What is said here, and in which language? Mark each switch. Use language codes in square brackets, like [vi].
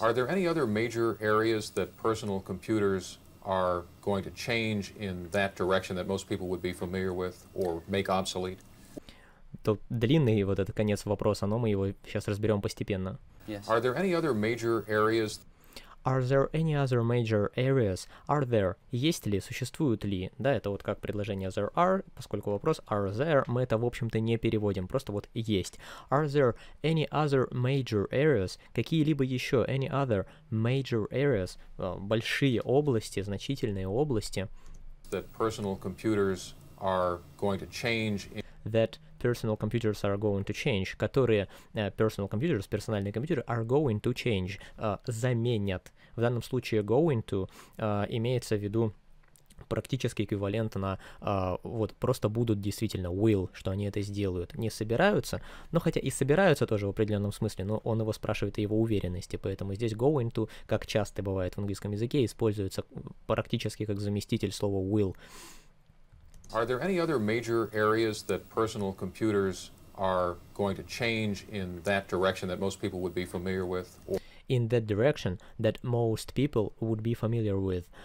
[en] Are there any other major areas that personal computers are going to change in that direction that most people would be familiar with or make obsolete? [ru] Тут длинный вот этот конец вопроса, но мы его сейчас разберем постепенно. [en] Yes. Are there any other major areas? Are there any other major areas? Are there? [ru] Есть ли? Существуют ли? Да, это вот как предложение [en] there are, [ru] поскольку вопрос [en] are there, [ru] мы это, в общем-то, не переводим, просто вот есть. [en] Are there any other major areas? [ru] Какие-либо еще? [en] Any other major areas? [ru] Большие области, значительные области. [en] That personal computers are going to change in... That personal computers are going to change, [ru] которые [en] personal computers, [ru] персональные компьютеры, [en] are going to change, [ru] заменят. В данном случае [en] going to [ru] имеется в виду практически эквивалент на вот просто будут действительно, [en] will, [ru] что они это сделают. Не собираются, но хотя и собираются тоже в определенном смысле, но он его спрашивает о его уверенности, поэтому здесь [en] going to, [ru] как часто бывает в английском языке, используется практически как заместитель слова [en] will. Are there any other major areas that personal computers are going to change in that direction that most people would be familiar with? Or... In that direction that most people would be familiar with.